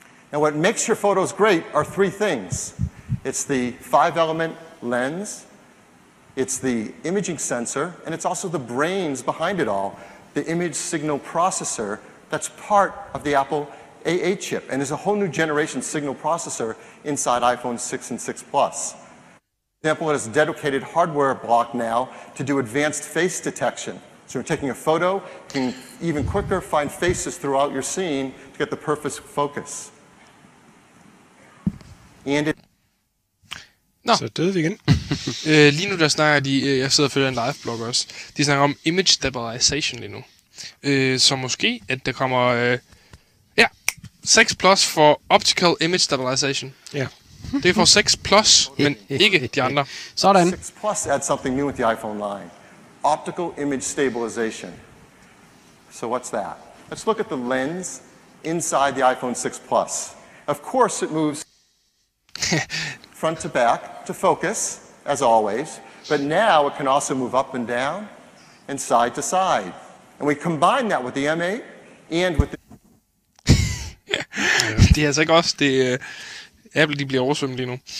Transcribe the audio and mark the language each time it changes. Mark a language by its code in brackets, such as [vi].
[en] Now, what makes your photos great are three things. It's the five-element lens, it's the imaging sensor, and it's also the brains behind it all, the image signal processor that's part of the Apple AA chip, and there's a whole new generation signal processor inside iPhone 6 and 6 Plus. For example, it has a dedicated hardware block now to do advanced face detection. So you're taking a photo, you can even quicker find faces throughout your scene to get the perfect focus. And it... [da] Nå. Så døde vi igen. lige nu der snakker de, jeg sidder og følger en live blog også, de snakker om image stabilization lige nu. Så måske, at der kommer... 6 Plus for Optical Image Stabilization. Ja. Det er for 6 Plus, men ikke de andre. Sådan. [en] 6 Plus adds something new with the iPhone line. Optical Image Stabilization. So what's that? Let's look at the lens inside the iPhone 6 Plus. Of course it moves front to back to focus, as always. But now it can also move up and down and side to side. And we combine that with the M8 and with the... [da] Det er altså ikke også det, Apple de bliver oversvømmet lige nu.